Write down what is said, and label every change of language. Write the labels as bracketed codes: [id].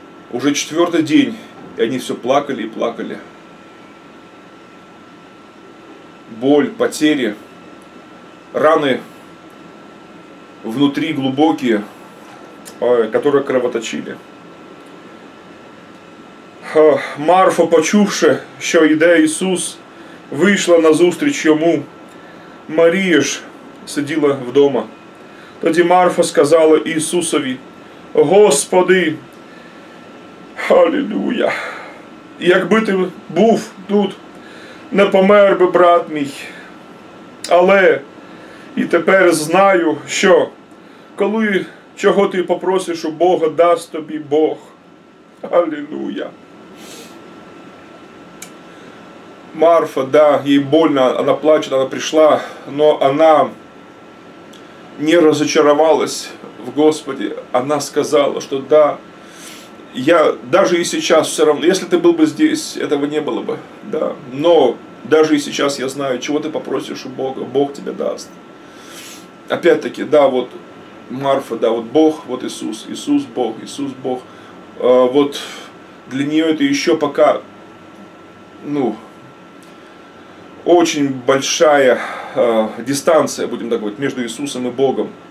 [ru] Уже четвертый день, и они все плакали и плакали. Боль, потери, раны внутри глубокие, которые кровоточили. [uk] Марфа, почувши, що йде Ісус, вийшла назустріч йому. Марія ж сиділа вдома. Тоді Марфа сказала Ісусові: Господи, алілуя, якби ти був тут, не помер би брат мій. Але і тепер знаю, що коли чого ти попросиш у Бога, дасть тобі Бог. Алілуя. Марфа, да, їй больно, вона плаче, вона прийшла, але вона не розчарувалась в Господі. Вона сказала, що да, я навіть і зараз все одно, якщо ти був би здесь, цього не було б. Да. Но навіть і зараз я знаю, чого ти попросиш у Бога, Бог тебе дасть. [ru] Опять-таки, да, вот Марфа, да, вот Бог, вот Иисус, Иисус Бог, Иисус Бог. Вот для нее это еще пока, ну, очень большая дистанция, будем так говорить, между Иисусом и Богом.